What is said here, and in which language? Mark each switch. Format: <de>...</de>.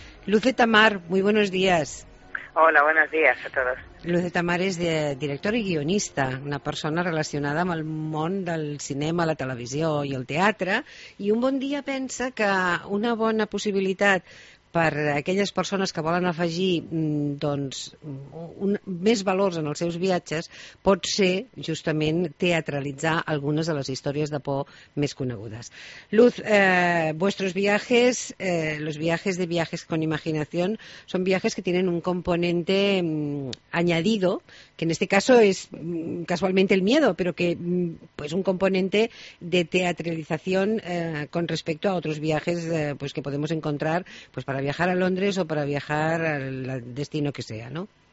<es>Luceta Mar, muy buenos días. Hola, buenos días a todos.</es> <ca>Luceta Mar és directora i guionista, una persona relacionada amb el món del cinema, la televisió i el teatre, i un bon dia pensa que una bona possibilitat per a aquelles persones que volen afegir més valors en els seus viatges, pot ser justament teatralitzar algunes de les històries de por més conegudes.</ca> <es>Luz, vuestros viajes, los viajes de Viajes con Imaginación, son viajes que tienen un componente añadido, que en este caso es casualmente el miedo, pero que pues un componente de teatralización con respecto a otros viajes pues que podemos encontrar pues para viajar a Londres o para viajar al destino que sea, ¿no?</es>